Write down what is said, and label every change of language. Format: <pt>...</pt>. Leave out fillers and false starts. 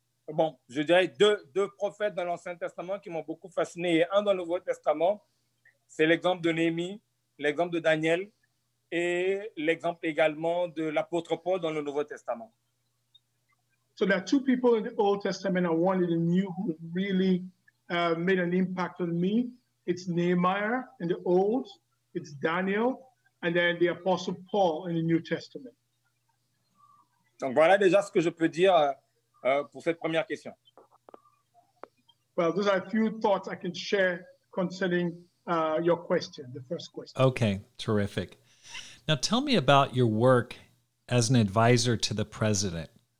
<fr>Bon, je dirais deux prophètes dans l'Ancien Testament qui m'ont beaucoup fasciné et un dans le Nouveau Testament. C'est l'exemple de Néhémie, l'exemple de Daniel et l'exemple également de l'apôtre Paul dans le Nouveau Testament.</fr> <en>So there are two people in the Old Testament and one in the New who really made an impact on me. It's Nehemiah in the Old, it's Daniel, and then the apostle Paul in the New Testament.</en> <fr>Donc voilà déjà ce que je peux dire pour cette première question.</fr> <en>Well, those are a few thoughts I can share concerning your question, the first question. Okay, terrific. Now tell me about your work as an advisor to the president.</en>